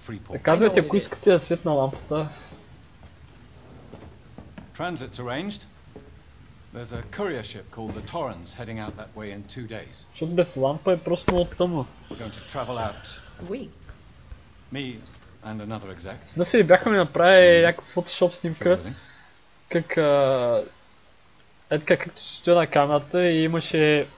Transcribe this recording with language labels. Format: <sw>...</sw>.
<bg>Да казвате, ако искате да светна лампата.</bg> <en>Transit's arranged. There's a courier ship called the Torrens heading out that way in 2 days.</en> <bg>Защото без лампа е просто много тъмно.</bg> <en>Going to travel out. We. Me and another exec.</en> <bg>Снъфи, бяхме направи някаква фотошоп снимка. Как... Ето така, както се стоя на камерата и имаше...</bg>